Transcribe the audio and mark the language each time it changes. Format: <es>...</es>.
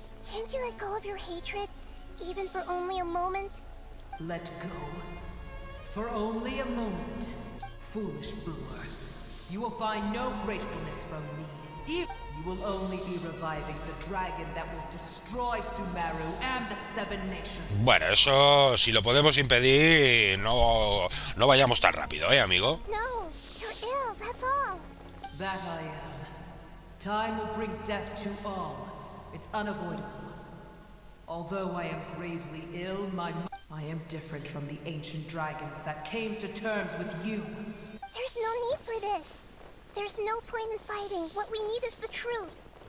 <en>Can't you let go of your hatred, even for only a moment? Let go? For only a moment? Foolish Boor. You will find no gratefulness from me. You will only be reviving the dragon that will destroy Sumeru and the Seven Nations.</en> <es>Bueno, eso, si lo podemos impedir, no vayamos tan rápido, amigo.</es> <en>No, you're ill, that's all. That I am. Time will bring death to all. It's unavoidable. Although I am gravely ill, I am different from the ancient dragons that came to terms with you. There's no need for this. There's no point in fighting. What we need is the truth.</en>